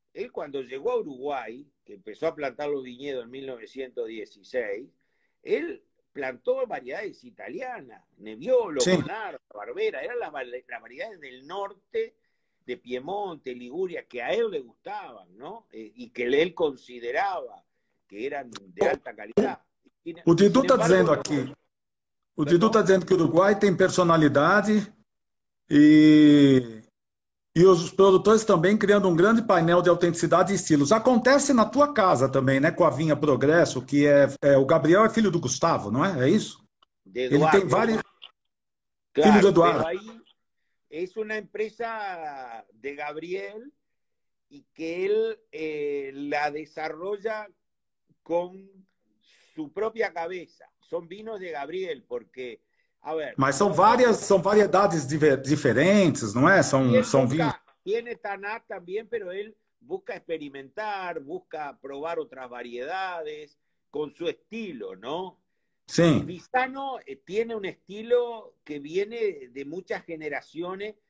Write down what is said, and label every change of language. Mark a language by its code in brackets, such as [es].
[es] Él, cuando llegó a Uruguay, que empezó a plantar los viñedos en 1916, él plantó variedades italianas, Nebbiolo, sí, Bonarda, Barbera, eran las variedades del norte de Piemonte, Liguria, que a él le gustaban, ¿no? Y que él consideraba que eran de alta calidad. Usted está diciendo aquí. [pt] O Didu está dizendo que o Uruguai tem personalidade e os produtores também criando um grande painel de autenticidade e estilos. Acontece na tua casa também, né? Com a Vinha Progresso, que é o Gabriel é filho do Gustavo, não é? É isso? De Eduardo. Ele tem vários... Claro, filho do Eduardo. Aí, é uma empresa de Gabriel e que ele [es] la desarrolla [pt] com sua própria cabeça. [es] Son vinos de Gabriel, porque, a ver... Mas son variedades diferentes, ¿no es? Son vinos... Tiene Tanat también, pero él busca experimentar, busca probar otras variedades con su estilo, ¿no? Sí. Vizzano tiene un estilo que viene de muchas generaciones.